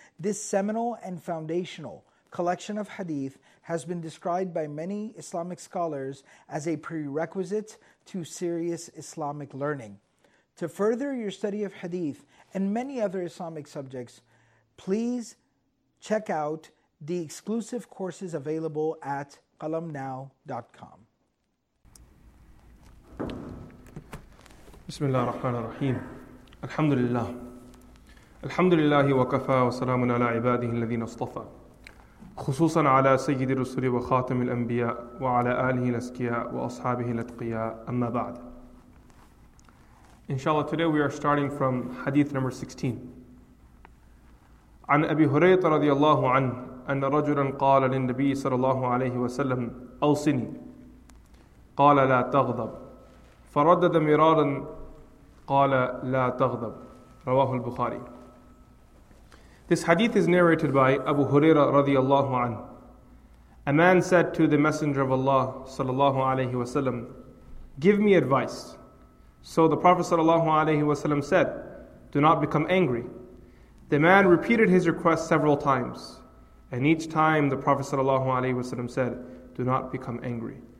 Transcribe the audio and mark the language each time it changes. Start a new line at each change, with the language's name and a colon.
English: This seminal and foundational collection of hadith has been described by many Islamic scholars as a prerequisite to serious Islamic learning. To further your study of hadith and many other Islamic subjects, please check out the exclusive courses available at qalamnow.com.
Arabic: بسم الله الرحمن الرحيم الحمد لله الحمد لله وكفى وسلام على عباده الذين اصطفى خصوصا على سيد الرسل وخاتم الأنبياء وعلى آله الأزكياء وأصحابه الأتقياء أما بعد إن شاء الله
English: today we are starting from hadith number 16
Arabic: عن أبي هريرة رضي الله عنه أن رجلا قال للنبي صلى الله عليه وسلم أوصني قال لا تغضب فردد مرارا قَالَ لَا تَغْضَبْ رَوَاهُ الْبُخَارِي.
English: This hadith is narrated by Abu Huraira radiallahu anhu. A man said to the Messenger of Allah sallallahu alayhi wa sallam, give me advice. So the Prophet sallallahu alayhi wa sallam said, do not become angry. The man repeated his request several times. And each time the Prophet sallallahu alayhi wa sallam said, do not become angry.